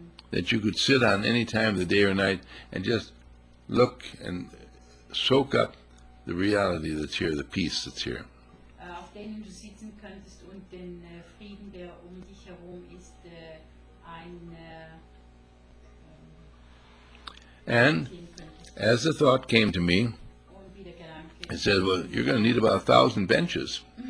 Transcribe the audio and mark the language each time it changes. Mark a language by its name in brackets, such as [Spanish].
[English] That you could sit on any time of the day or night and just look and soak up the reality that's here, the peace that's here. [German] Auf denen du sitzen könntest und den Frieden, der um dich herum ist, ein... [English] And as the thought came to me, I said, well, you're going to need about 1,000 benches.